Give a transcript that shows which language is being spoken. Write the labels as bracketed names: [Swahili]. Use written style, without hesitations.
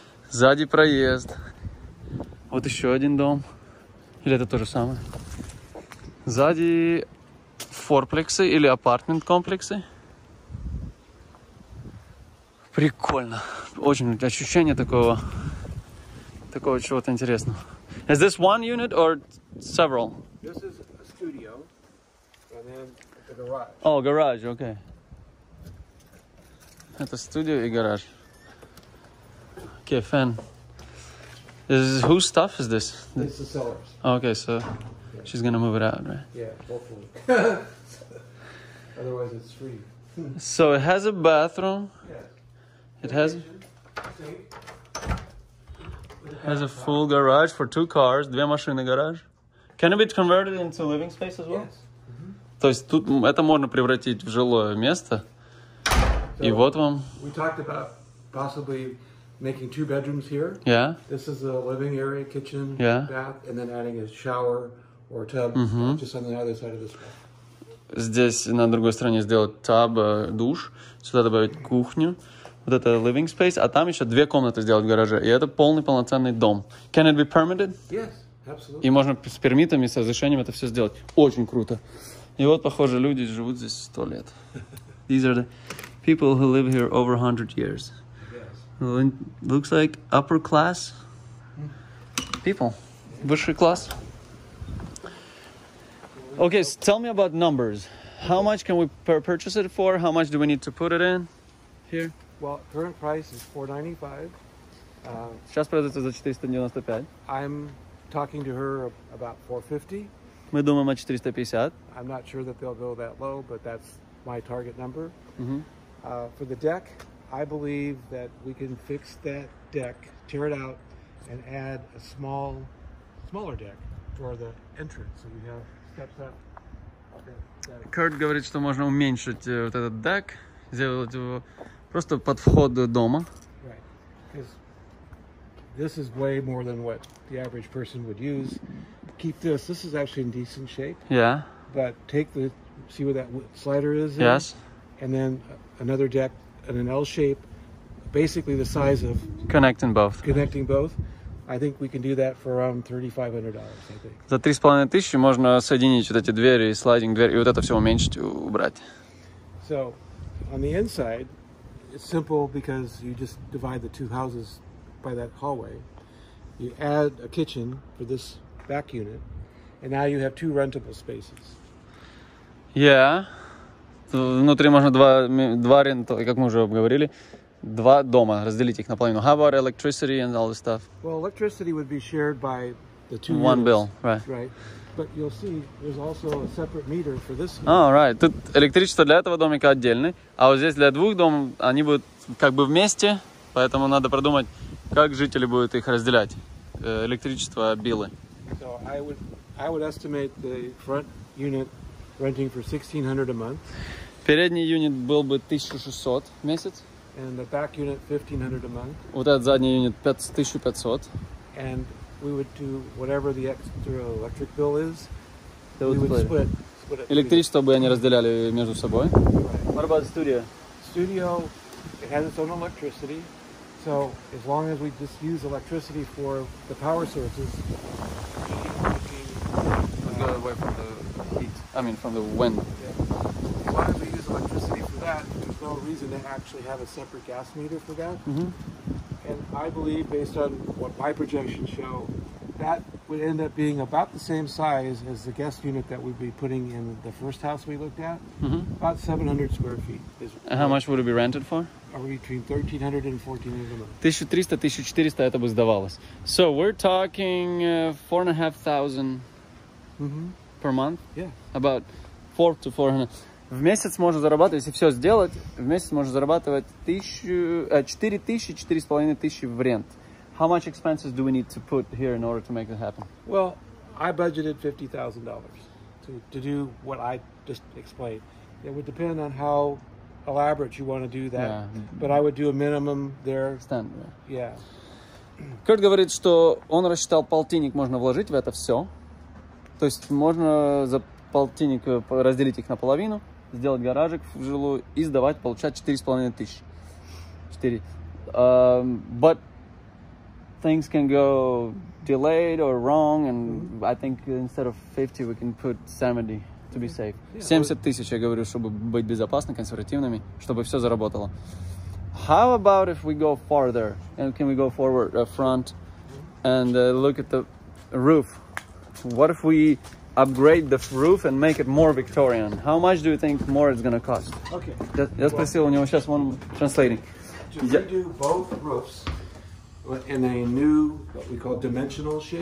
[Russian] Сзади проезд. Вот еще один дом. Или это то же самое? Сзади форплексы или апартмент-комплексы. Прикольно. Очень ощущение такого чего-то интересного. [English] Is this one unit or several? This is a studio and then the garage. Oh, garage, okay. [Russian] Это студио и гараж. [English] Okay, fan. This is whose stuff is this? It's the seller's. Okay, so yeah. She's gonna move it out, right? Yeah, hopefully. Otherwise it's free. So it has a bathroom. Yeah. It has. Has a full garage for two cars, [Russian] две машины гараж. [English] Can it be converted into living space as well? Yes. Mm-hmm. [Russian] То есть тут это можно превратить в жилое место. [English] So [Russian] и вот вам. [English] We talked about possibly making two bedrooms here. Yeah. This is a living area, kitchen, yeah. Bath, and then adding a shower or tub, mm-hmm. just on the other side of this room. [Russian] Здесь на другой стороне сделать tub, душ, сюда добавить кухню. Вот это [English] living space, [Russian] а там еще две комнаты сделать в гараже. И это полный полноценный дом. [English] Can it be permitted? Yes, absolutely. [Russian] И можно с пермитами, с разрешением это все сделать. Очень круто. И вот, похоже, люди живут здесь 100 лет. [English] These are the people who live here over 100 years. Yes. Looks like upper class people. [Russian] Высший класс. [English] Okay, so tell me about numbers. How much can we purchase it for? How much do we need to put it in here? Well, current price is $495. [Russian] Сейчас продается за 495. [English] I'm talking to her about $450. [Russian] Мы думаем о 450. [English] I'm not sure that they'll go that low, but that's my target number. Mm-hmm. For the deck, I believe that we can fix that deck, tear it out, and add a smaller deck for the entrance. So we have steps up. [Russian] Kurt говорит, что можно уменьшить вот этот deck, сделать его просто под вход дома. [English] Right. Because this is way more than what the average person would use. Keep this. This is actually in decent shape. Yeah. But take the, see where that slider is? Yes. There, and then another deck in an L shape, basically the size of... Connecting both. I think we can do that for around $3,500, I think. [Russian] За 3,500 можно соединить вот эти двери, слайдинг двери, и вот это все уменьшить, убрать. [English] So, on the inside, it's simple because you just divide the two houses by that hallway. You add a kitchen for this back unit, and now you have two rentable spaces. Yeah. [Russian] Внутри можно два рентовых, как мы уже обговорили, два дома, разделить их наполовину. [English] How about electricity and all this stuff? Well, electricity would be shared by the two One units. Bill, right. Right. But you'll see, there's also a separate meter for this one. Oh, right. [Russian] Тут электричество для этого домика отдельное, а вот здесь для двух домов они будут как бы вместе, поэтому надо продумать, как жители будут их разделять, электричество, биллы. [English] So I would, I would estimate the front unit renting for $1,600 a month. [Russian] Передний юнит был бы 1600 в месяц. [English] And the back unit $1,500 a month. [Russian] Вот этот задний юнит 1500. [English] And we would do whatever the extra electric bill is. We would split. [Russian] Электричество бы они разделяли между собой. [English] What about the studio? Studio, it has its own electricity. So as long as we just use electricity for the power sources, we go away from the heat. I mean, from the wind. Yeah. As long as we use electricity for that, there's no reason to actually have a separate gas meter for that. Mm-hmm. And I believe, based on what my projections show, that would end up being about the same size as the guest unit that we'd be putting in the first house we looked at. Mm-hmm. About 700 square feet. And how much would it be rented for? Between 1,300 and 1,400 a month. [Russian] 1,300, 1,400, это бы сдавалось. [English] So we're talking 4,500 mm-hmm. per month. Yeah. About 400 to 400. [Russian] В месяц можно зарабатывать, если все сделать, в месяц можно зарабатывать 4,000-4,500 в рент. [English] How much expenses do we need to put here in order to make it happen? Well, I budgeted $50,000 to do what I just explained. It would depend on how elaborate you want to do that, yeah. But I would do a minimum there. Standard. Yeah. [Russian] Kurt говорит, что он рассчитал полтинник можно вложить в это все, то есть можно за полтинник разделить их наполовину, сделать гаражик в жилую и сдавать, получать 4,500. Четыре. [English] But things can go delayed or wrong, and mm-hmm. I think instead of 50, we can put 70. To be safe. Yeah, [Russian] 70 тысяч, я говорю, чтобы быть безопасными, консервативными, чтобы все заработало. [English] How about if we go farther? And can we go forward, front, and look at the roof? What if we upgrade the roof and make it more Victorian? How much do you think more it's going to cost? Okay. [Russian] Я спросил у него сейчас, он translating. [English] Okay. To redo both roofs in a new, what we call dimensional shape,